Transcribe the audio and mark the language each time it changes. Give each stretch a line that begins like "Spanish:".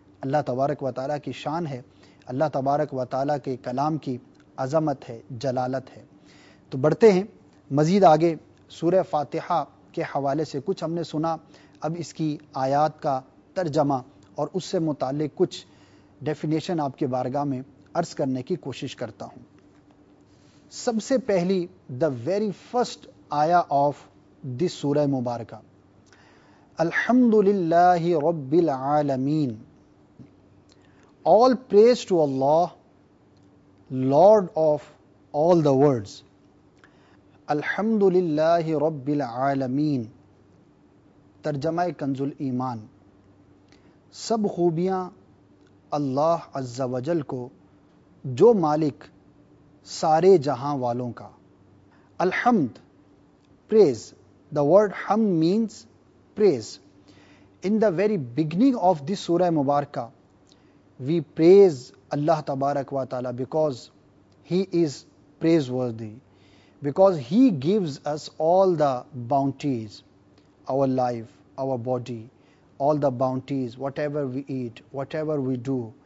Urdu: اللہ تبارک و تعالیٰ کی شان ہے، اللہ تبارک و تعالیٰ کے کلام کی عظمت ہے، جلالت ہے. تو بڑھتے ہیں مزید آگے. سورہ فاتحہ کے حوالے سے کچھ ہم نے سنا، اب اس کی آیات کا ترجمہ اور اس سے متعلق کچھ ڈیفینیشن آپ کے بارگاہ میں عرض کرنے کی کوشش کرتا ہوں. سب سے پہلی،
English: the very first آیہ of this سورہ مبارکہ،
Arabic: الحمدللہ رب العالمین،
English: all praise to Allah lord of all the worlds.
Arabic: الحمد للہ رب العالمین،
Urdu: ترجمہ کنز الایمان، سب خوبیاں اللہ عز و جل کو جو مالک سارے جہاں والوں کا.
English: الحمد، praise, the word ہم means praise. In the very beginning of this سورہ مبارکہ وی پریز اللہ تبارک و تعالی because he is praiseworthy, because he gives us all the bounties, our life, our body, all the bounties, whatever we eat, whatever we do,